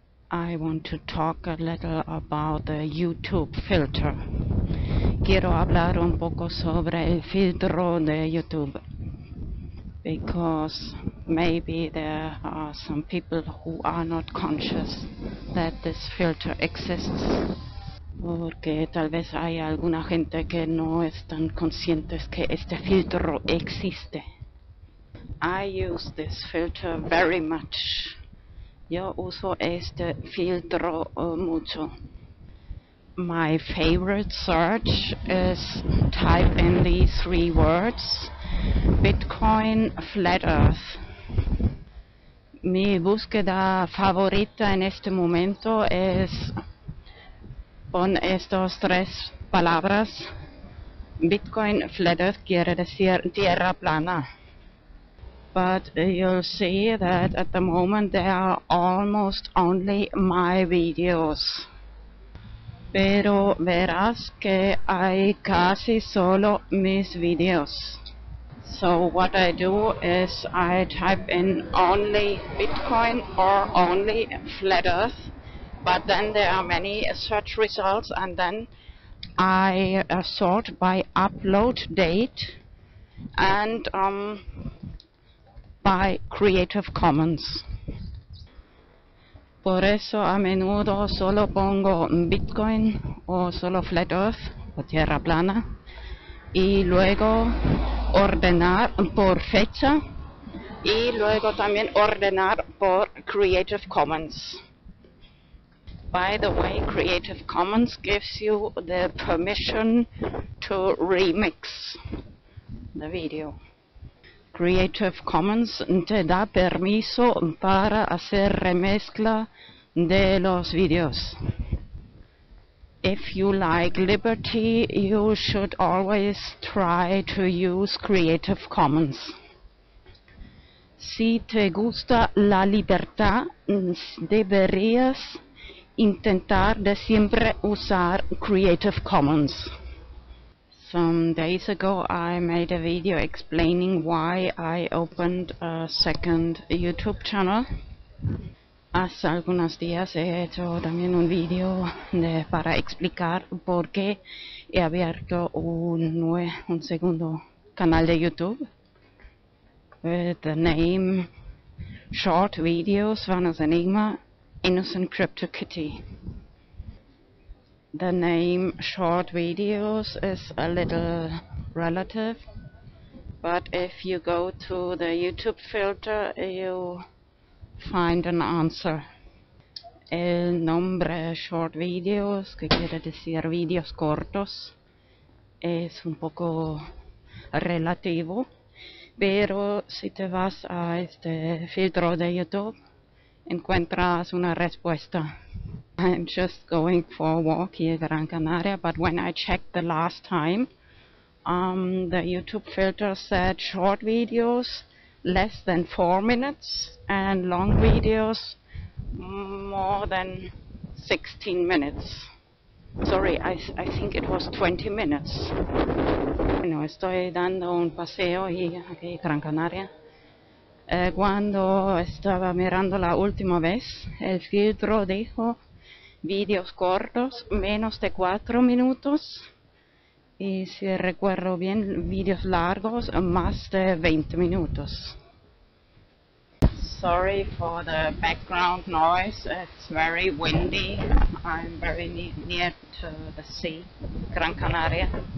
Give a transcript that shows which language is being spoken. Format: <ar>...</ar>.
<en>I want to talk a little about the YouTube filter.</en> <es>Quiero hablar un poco sobre el filtro de YouTube.</es> <en>Because maybe there are some people who are not conscious that this filter exists.</en> <es>Porque tal vez hay alguna gente que no están conscientes que este filtro existe.</es> <en>I use this filter very much.</en> <es>Yo uso este filtro mucho.</es> <en>My favorite search is type in these three words: Bitcoin Flat Earth.</en> <es>Mi búsqueda favorita en este momento es con estas tres palabras. Bitcoin Flat Earth quiere decir tierra plana.</es> <en>But you'll see that at the moment there are almost only my videos.</en> <es>Pero verás que hay casi solo mis videos.</es> <en>So what I do is I type in only Bitcoin or only Flat Earth, but then there are many search results, and then I sort by upload date and by Creative Commons.</en> <es>Por eso a menudo solo pongo Bitcoin o solo Flat Earth o Tierra Plana y luego ordenar por fecha y luego también ordenar por Creative Commons.</es> <en>By the way, Creative Commons gives you the permission to remix the video.</en> <es>Creative Commons te da permiso para hacer remezcla de los videos.</es> <en>If you like liberty, you should always try to use Creative Commons.</en> <es>Si te gusta la libertad, deberías intentar de siempre usar Creative Commons.</es> <en>Some days ago, I made a video explaining why I opened a second YouTube channel.</en> <es>Hace algunos días he hecho también un video para explicar por qué he abierto un segundo canal de YouTube</es> <en>with the name Short Videos VanosEnigmA Innocent Crypto Kitty. The name Short Videos is a little relative, but if you go to the YouTube filter, you find an answer.</en> <es>El nombre Short Videos, que quiere decir videos cortos, es un poco relativo, pero si te vas a este filtro de YouTube, encuentras una respuesta.</es> <en>I'm just going for a walk here in Gran Canaria, but when I checked the last time, the YouTube filter said short videos less than 4 minutes and long videos more than 16 minutes. Sorry, I think it was 20 minutes.</en> <es>Bueno, estoy dando un paseo aquí en Gran Canaria. Cuando estaba mirando la última vez, el filtro dijo videos cortos, menos de 4 minutos, y si recuerdo bien, videos largos, más de 20 minutos.</es> <en>Sorry for the background noise, it's very windy, I'm very near to the sea, Gran Canaria.</en>